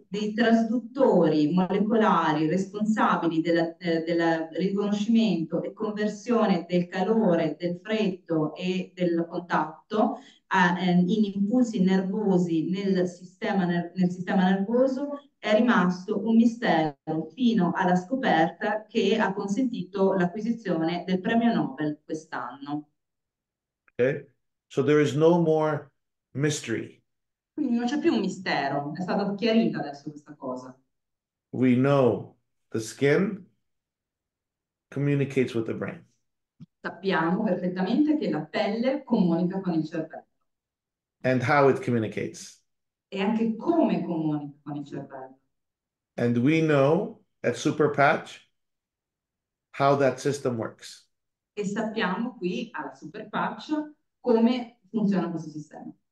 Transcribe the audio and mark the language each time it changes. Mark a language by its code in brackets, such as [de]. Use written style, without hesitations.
[it] dei trasduttori molecolari responsabili del riconoscimento e conversione del calore, del freddo e del contatto in impulsi nervosi nel sistema nervoso è rimasto un mistero fino alla scoperta che ha consentito l'acquisizione del premio Nobel quest'anno. [en] Okay. So there is no more mystery. [it] Quindi non c'è più un mistero, è stata chiarita adesso questa cosa. [en] We know the skin communicates with the brain. [it] Sappiamo perfettamente che la pelle comunica con il cervello. [en] And how it communicates. [it] E anche come comunica con il cervello. [en] And we know at Super Patch how that system works. [it] E sappiamo qui al Super Patch come funziona questo sistema.